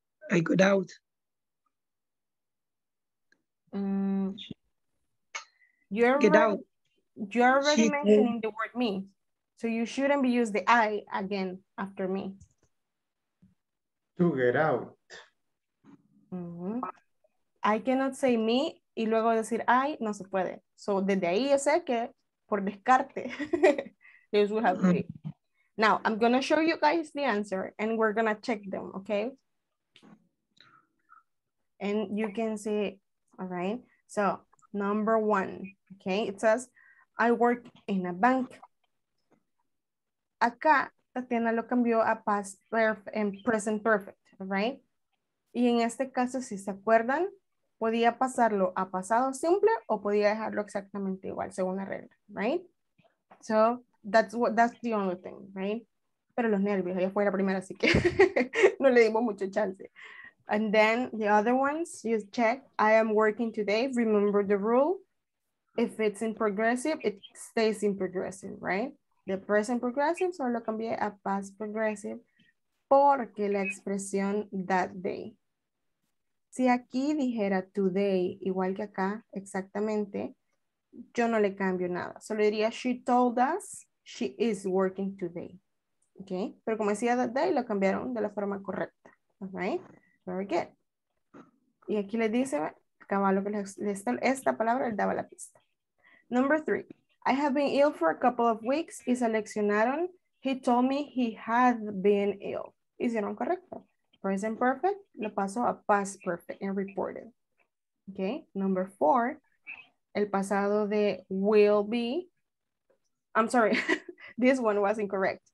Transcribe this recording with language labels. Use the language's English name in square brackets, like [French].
[English] I got out. You're already mentioning the word me. So you shouldn't be using the I again after me. To get out. [Spanish] Mm-hmm. [English] I cannot say me [Spanish] y luego decir I, no se puede. So desde ahí yo sé que por descarte, [English] this will have to be. Now, I'm going to show you guys the answer and we're going to check them, okay? And you can see, all right? So number one, okay? It says, I work in a bank. [Spanish] Acá, Tatiana lo cambió a [English] past perfect and present perfect, all right? [Spanish] Y en este caso, si se acuerdan, podía pasarlo a pasado simple o podía dejarlo exactamente igual, según la regla, right? [English] So that's the only thing, right? [Spanish] Pero los nervios, ella fue la primera, así que no le dimos mucho chance. [English] And then the other ones, you check, I am working today. Remember the rule. If it's in progressive, it stays in progressive, right? [Spanish] The present progressive, solo cambié a past progressive porque la expresión that day. Si aquí dijera today, igual que acá, exactamente, yo no le cambio nada. [English] Solo diría, she told us she is working today. Okay? [Spanish] Pero como decía that day, lo cambiaron de la forma correcta. [English] All right? Very good. [Spanish] Y aquí le dice, caballo, que esta palabra le daba la pista. [English] Number three, I have been ill for a couple of weeks. [Spanish] Y seleccionaron, [English] he told me he had been ill. [Spanish] Hicieron correcto. Present perfect, lo paso a past perfect and reported. [English] Okay, number four, [Spanish] el pasado de [English] will be, I'm sorry, this one was incorrect.